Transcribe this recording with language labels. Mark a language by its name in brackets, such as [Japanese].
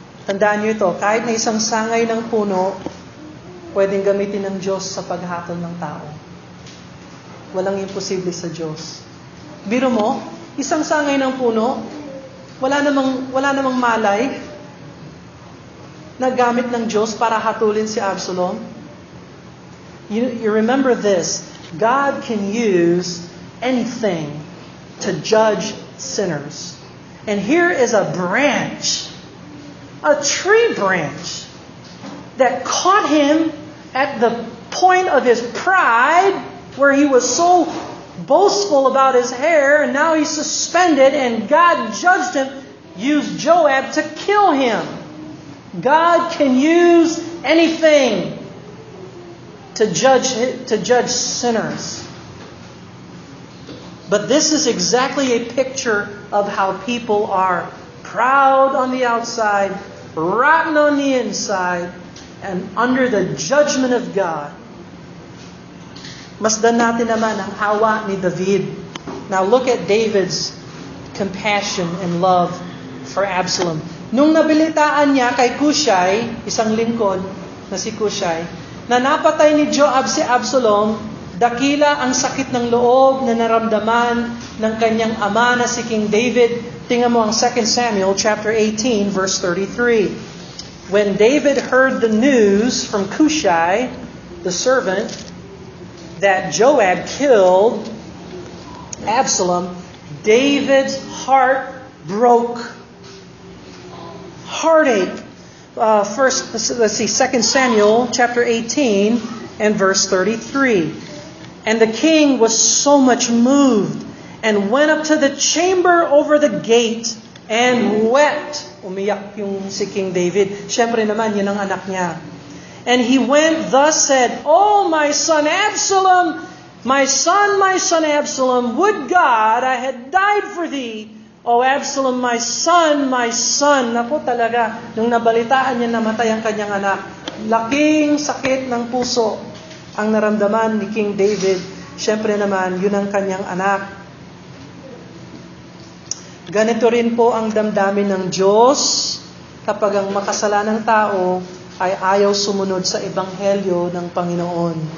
[Filipino] Tandaan niyo ito, kahit na isang sangay ng puno, pwedeng gamitin ng Diyos sa paghatol ng tao. Walang imposible sa Diyos. Biro mo, isang sangay ng puno, wala namang malay na gamit ng Diyos para hatulin si Absalom. [English] You remember this, God can use anything to judge sinners. And here is a branch, a tree branch, that caught him at the point of his pride, where he was so boastful about his hair, and now he's suspended, and God judged him, used Joab to kill him. God can use anything to judge sinners. But this is exactly a picture of how people are proud on the outside, rotten on the inside, and under the judgment of God. [Filipino] Masdan natin naman ang awa ni David. [English] Now look at David's compassion and love for Absalom. [Filipino] Nung nabilitaan niya kay Kushai, isang lingkod na si Kushai, na napatay ni Joab si Absalom, dakila ang sakit ng loob na naramdaman ng kanyang ama na si King David. Tingnan mo ang 2 Samuel chapter 18, verse 33. [English] When David heard the news from Kushai, the servant, that Joab killed Absalom, David's heart broke. Heartache. Let's see, 2 Samuel chapter 18 and verse 33. And the king was so much moved and went up to the chamber over the gate and wept. [Filipino] Umiyak yung si King David. Siyempre naman, yun ang anak niya. [English] And he went, thus said, "Oh, my son Absalom, my son Absalom, would God I had died for thee. Oh, Absalom, my son." [Filipino] Naku talaga, nung nabalitaan niya namatay ang kanyang anak, laking sakit ng puso ang naramdaman ni King David. Siyempre naman, yun ang kanyang anak. Ganito rin po ang damdamin ng Diyos kapag ang makasalanang tao ay ayaw sumunod sa ebanghelyo ng Panginoon.